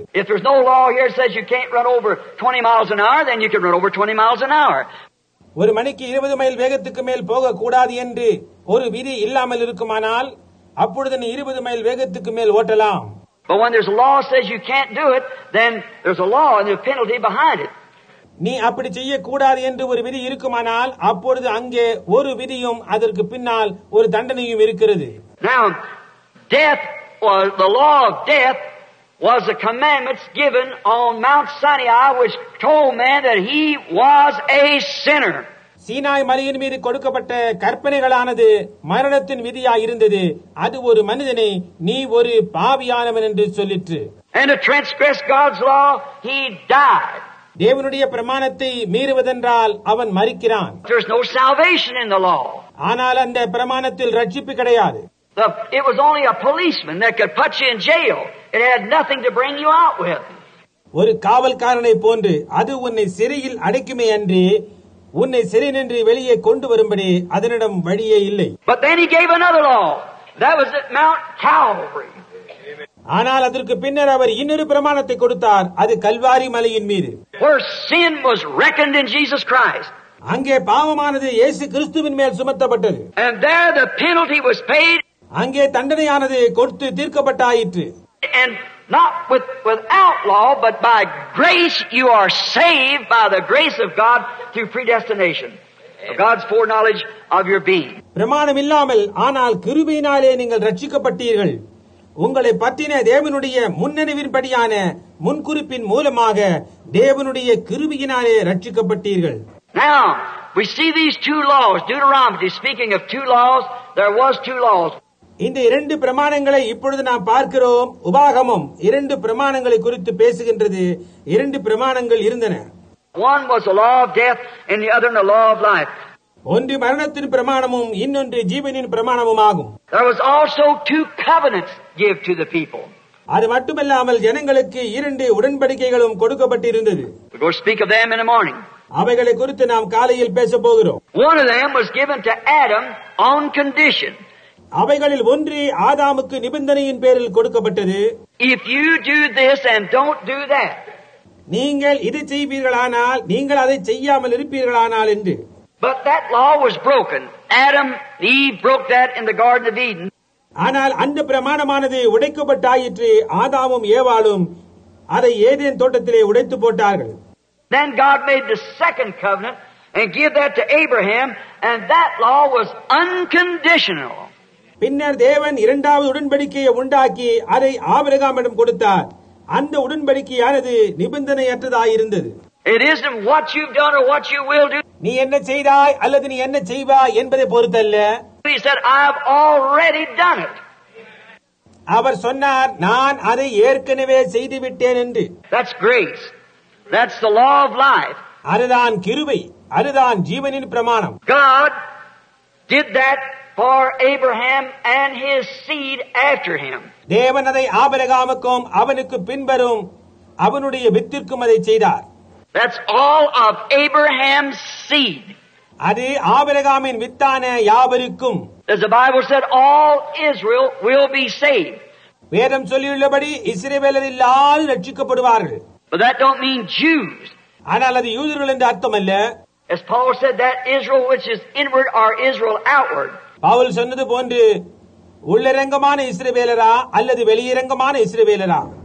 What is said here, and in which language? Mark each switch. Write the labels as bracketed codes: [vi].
[en] If there's no law here says you can't run over 20 miles an hour, then you can run over 20 miles an hour. [ta] ஒரு மணிக்கு 20 mile வேகத்துக்கு மேல் போக கூடாது என்று ஒரு விதி இல்லாமல் இருக்குமானால் அப்பொழுது நீ 20 மைல் வேகத்துக்கு மேல் ஓட்டலாம். [en] But when there's a law says you can't do it, then there's a law and there's a penalty behind it. [ta] நீ அப்படி செய்ய கூடாது என்று ஒரு விதி இருக்குமானால் அப்பொழுது அங்கே ஒரு விதியும் அதற்கு பின்னால் ஒரு தண்டனையும் இருக்கிறது. [en] Now, death or the law of death was the commandments given on Mount Sinai which told man that he was a sinner. [ta] Sinai மலையின் மீது கொடுக்கப்பட்ட கற்பனைகளானது மரணத்தின் விதியாய் இருந்தது. அது ஒரு மனிதனை நீ ஒரு பாவியானவன் என்று சொல்லிற்று. [en] And to transgress God's law, he died. [ta] தேவனுடைய பிரமாணத்தை மீறுவதென்றால் அவன் மரிக்கிறான். [en] There's no salvation in the law. [ta] ஆனால் அந்த பிரமாணத்தில் ரட்சிப்பு கிடையாது. [en] It was only a policeman that could put you in jail. It had nothing to bring you out with. [ta] ஒரு காவல்காரனை போன்று அது உன்னை சிறையில் அடைக்குமே அன்றி உன்னை சிறை நின்று வெளியே கொண்டு வரும்படி அதனிடம் வழியே இல்லை. [en] But then he gave another law. That was at Mount Calvary. [ta] ஆனால் அதற்கு பின்னர் அவர் இன்னொரு பிரமாணத்தை கொடுத்தார். அது கல்வாரி மலையின் மீது. [en] Where sin was reckoned in Jesus Christ. [ta] அங்கே பாவமானது இயேசு கிறிஸ்துவின் மேல் சுமத்தப்பட்டது. [en] And there the penalty was paid. [ta] அங்கே தண்டனையானது கொடுத்து தீர்க்கப்பட்டாயிற்று. [en] And not without law, but by grace you are saved by the grace of God through predestination. God's foreknowledge of your being. [ta] பிரமாணம் இல்லாமல் ஆனால் கிருபையினாலே நீங்கள் ரட்சிக்கப்பட்டீர்கள். உங்களை பற்றின தேவனுடைய முன்னறிவின்படியான முன்குறிப்பின் மூலமாக தேவனுடைய கிருபையினாலே ரட்சிக்கப்பட்டீர்கள். [en] Now, we see these two laws, Deuteronomy, speaking of two laws, there was two laws. [ta] இந்த இரண்டு பிரமாணங்களை இப்பொழுது நாம் பார்க்கிறோம். உபாகமம் இரண்டு பிரமாணங்களை குறித்து பேசுகின்றது. இரண்டு பிரமாணங்கள் இருந்தன. [en] One was the law of death and the other the law of life. [ta] ஒன்று மரணத்தின் பிரமாணமும் இன்னொன்று ஜீவனின் பிரமாணமுமாகும். [en] There was also two covenants given to the people. [ta] அது மட்டுமல்லாமல் ஜனங்களுக்கு இரண்டு உடன்படிக்கைகளும் கொடுக்கப்பட்டிருந்தது. [en] We'll speak of them in the morning. [ta] அவைகளை குறித்து நாம் காலையில் பேச போகிறோம். [en] One of them was given to Adam on condition. [ta] அவைகளில் ஒன்று ஆதாமுக்கு நிபந்தனையின் பேரில் கொடுக்கப்பட்டது. [en] If you do this and don't do that. [ta] நீங்கள் இதை செய்வீர்களானால் நீங்கள் அதை செய்யாமல் இருப்பீர்களானால் என்று. [en] But that law was broken. Adam, Eve broke that in the Garden of Eden. [ta] ஆனால் அந்த பிரமாணமானது உடைக்கப்பட்டாயிற்று. ஆதாமும் ஏவாளும் அதை ஏதேன் தோட்டத்திலே உடைத்து போட்டார்கள். [en] Then God made the second covenant and gave that to Abraham, and that law was unconditional. [ta] பின்னர் தேவன் இரண்டாவது உடன்படிக்கையை உண்டாக்கி அதை ஆபிரகாமிடம் கொடுத்தார். அந்த உடன்படிக்கையானது நிபந்தனையற்றதாயிருந்தது. [en] It isn't what you've done or what you will do. [ta] நீ என்ன செய்தாய் அல்லது நீ என்ன செய்வாய் என்பதை பொறுத்தல்ல. [en] He said, I've already done it. [ta] அவர் சொன்னார், நான் அதை ஏற்கனவே செய்துவிட்டேன் என்று. [en] That's grace. That's the law of life. [ta] அதுதான் கிருபை. அதுதான் ஜீவனின் பிரமாணம். [en] God did that for Abraham and his seed after him. [ta] தேவன் அதை ஆபிரகாமுக்கும் அவனுக்கு பின்வரும் அவனுடைய வித்திற்கும் அதை செய்தார். [en] That's all of Abraham's seed. [ta] அது ஆபிரகாமின் வித்தான யாவருக்கும். [en] As the Bible said, all Israel will be saved. [ta] வேதம் சொல்லியுள்ளபடி இஸ்ரவேலர் எல்லாரும் ரட்சிக்கப்படுவார்கள். [en] But that don't mean Jews. [ta] ஆனால் அது யூதர்கள் என்று அர்த்தமல்ல. [en] As Paul said, that Israel which is inward are Israel outward. [ta] Pavul சொன்னது போன்று உள்ளிரங்கமான இஸ்ரவேலரா அல்லது வெளியிரங்கமான இஸ்ரவேலரா.